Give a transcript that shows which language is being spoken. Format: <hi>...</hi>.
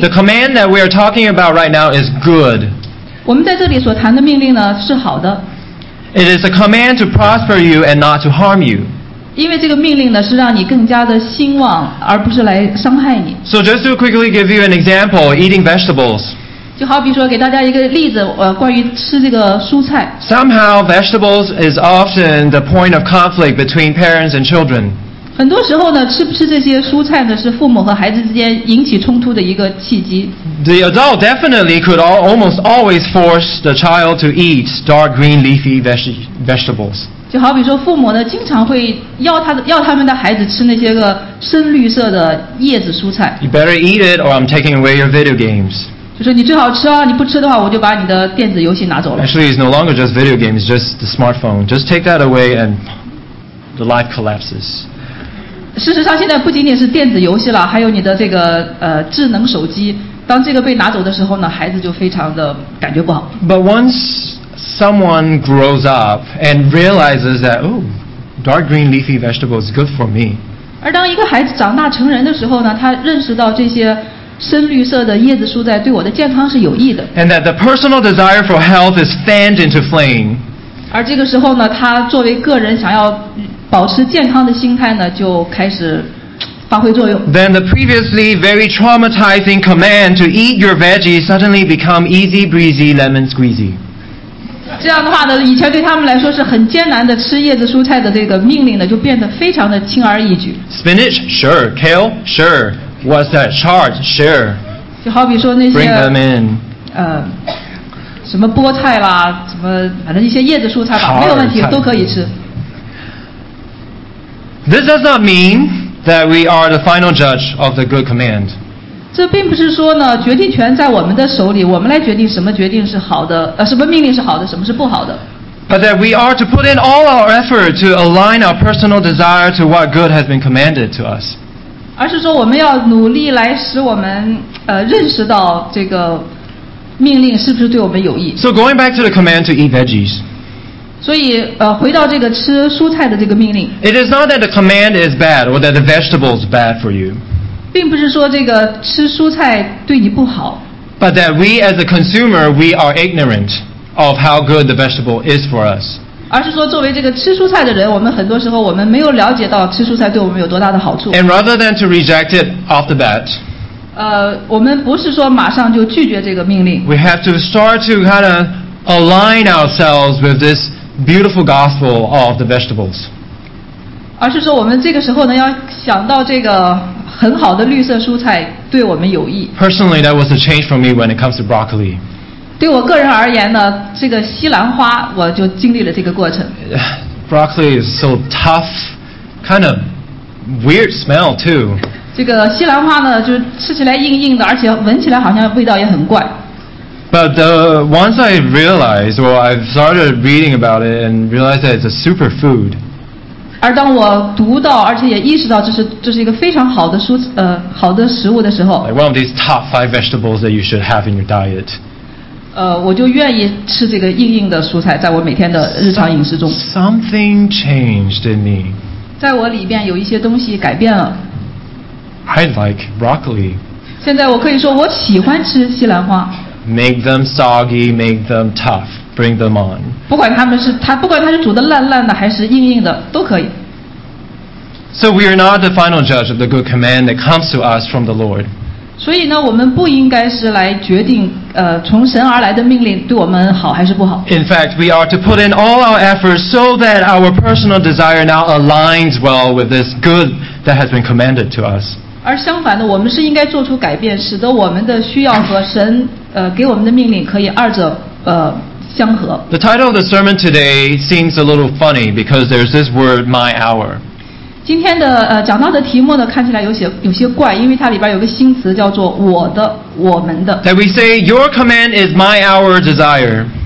<en>The command that we are talking about right now is good.</en> <zh>我们在这里所谈的命令呢是好的。</zh> <en>It is a command to prosper you and not to harm you.</en> <zh>因为这个命令呢是让你更加的兴旺，而不是来伤害你。</zh> <en>So just to quickly give you an example, eating vegetables.</en> <zh>就好比说给大家一个例子关于吃这个蔬菜</zh> <en>Somehow vegetables is often the point of conflict between parents and children</en> <zh>很多时候呢吃不吃这些蔬菜呢是父母和孩子之间引起冲突的一个契机</zh> <en>The adult definitely could almost always force the child to eat dark green leafy vegetables</en> <zh>就好比说父母呢经常会要他们的孩子吃那些个深绿色的叶子蔬菜</zh> <en>You better eat it or I'm taking away your video games</en> <zh>就是你最好吃啊！你不吃的话，我就把你的电子游戏拿走了。</zh> <en>Actually, it's no longer just video games; it's just the smartphone. Just take that away, and the life collapses.</en> <zh>事实上，现在不仅仅是电子游戏了，还有你的这个智能手机。当这个被拿走的时候呢，孩子就非常的感觉不好。</zh> <en>But once someone grows up and realizes that, oh, dark green leafy vegetables is good for me.</en> <zh>而当一个孩子长大成人的时候呢，他认识到这些。深绿色的叶子蔬菜对我的健康是有益的。</zh> <en>And that the personal desire for health is fanned into flame.</en> <zh>而这个时候呢，他作为个人想要保持健康的心态呢，就开始发挥作用。</zh> <en>Then the previously very traumatizing command to eat your veggies suddenly become easy breezy lemon squeezy.</en> <zh>这样的话呢，以前对他们来说是很艰难的吃叶子蔬菜的这个命令呢，就变得非常的轻而易举。</zh> <en>Spinach, sure. Kale, sure. What's that? Chard, sure.</en> <zh>就好比说那些</zh> <en>Bring them in.</en> <zh>什么菠菜啦，什么反正一些叶子蔬菜吧，没有问题，都可以吃。</zh> <en>This does not mean that we are the final judge of the good command.</en> <zh>这并不是说呢，决定权在我们的手里，我们来决定什么决定是好的，什么命令是好的，什么是不好的。</zh> <en>But that we are to put in all our effort to align our personal desire to what good has been commanded to us.</en> <zh>而是说我们要努力来使我们认识到这个命令是不是对我们有益。</zh> <en>So going back to the command to eat veggies.</en> <zh>所以回到这个吃蔬菜的这个命令。</zh> <en>It is not that the command is bad or that the vegetable is bad for you.</en> <zh>并不是说这个吃蔬菜对你不好。</zh> <en>But that we as a consumer, we are ignorant of how good the vegetable is for us.</en> <zh>而是说作为这个吃蔬菜的人，我们很多时候我们没有了解到吃蔬菜对我们有多大的好处。</zh> <en>And rather than to reject it off the bat,</en> <zh>我们不是说马上就拒绝这个命令。</zh> <en>We have to start to kind of align ourselves with this. Beautiful gospel of the vegetables.</en> <zh>而是说我们这个时候呢，要想到这个很好的绿色蔬菜对我们有益。</zh> <en>Personally, that was a change for me when it comes to broccoli.</en> <zh>对我个人而言呢，这个西兰花我就经历了这个过程。</zh> <en>Broccoli is so tough, kind of weird smell too.</en> <zh>这个西兰花呢，就吃起来硬硬的，而且闻起来好像味道也很怪。</zh> <en>But once I realized, well, I started reading about it and realized that it's a super food.</en> <zh>而当我读到而且也意识到这是一个非常好的蔬好的食物的时候</zh> <en>like one of these top five vegetables that you should have in your diet.</en> <zh>我就愿意吃这个硬硬的蔬菜，在我每天的日常饮食中。</zh> <en>Something changed in me.</en> <zh>在我里边有一些东西改变了。</zh> <en>I like broccoli.</en> <zh>现在我可以说我喜欢吃西兰花。</zh> <en>Make them soggy, make them tough, bring them on.</en> <zh>不管它是煮的烂烂的还是硬硬的都可以。</zh> <en>So we are not the final judge of the good command that comes to us from the Lord.</en> <zh>所以呢，我们不应该是来决定从神而来的命令对我们好还是不好。</zh> <en>In fact, we are to put in all our efforts so that our personal desire now aligns well with this good that has been commanded to us.</en> <zh>而相反的，我们是应该做出改变，使得我们的需要和神给我们的命令可以二者相合。</zh> <en>The title of the sermon today seems a little funny because there's this word, my hour.</en> <zh>今天的讲到的题目呢，看起来有些怪，因为它里边有个新词叫做我的，我们的。</zh> <en>That we say your command is my hour desire.</en>